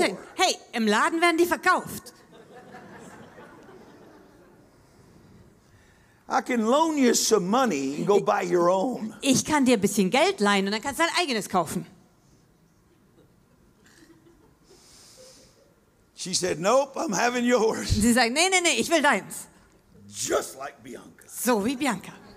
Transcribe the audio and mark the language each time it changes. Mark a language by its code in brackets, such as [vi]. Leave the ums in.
[de] Ich sag, hey, im Laden werden die verkauft. [en] I can loan you some money and go buy your own. [de] Ich kann dir ein bisschen Geld leihen und dann kannst du dein eigenes kaufen. [en] She said, "Nope, I'm having yours." [de] Sie sagt, nee, nee, nee, ich will deins. [en] Just like Bianca. [de] So wie Bianca.